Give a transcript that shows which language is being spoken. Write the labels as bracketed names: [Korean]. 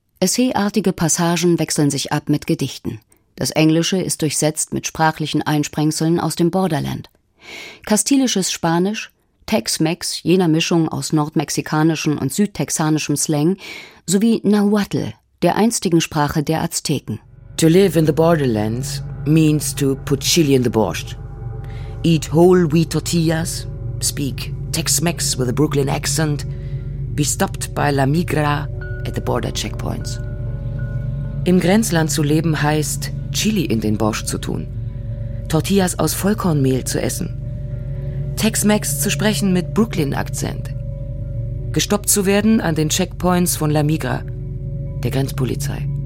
[German] Essayartige Passagen wechseln sich ab mit Gedichten. Das Englische ist durchsetzt mit sprachlichen Einsprengseln aus dem Borderland. Kastilisches Spanisch, Tex-Mex, jener Mischung aus nordmexikanischem und südtexanischem Slang, sowie Nahuatl, der einstigen Sprache der Azteken. [English] To live in the borderlands means to put chili in the borscht. Eat whole wheat tortillas, speak Tex-Mex with a Brooklyn accent, be stopped by la migra at the border checkpoints. [German] Im Grenzland zu leben heißt, Chili in den Borscht zu tun. Tortillas aus Vollkornmehl zu essen. Tex-Mex zu sprechen mit Brooklyn-Akzent. Gestoppt zu werden an den Checkpoints von La Migra, der Grenzpolizei.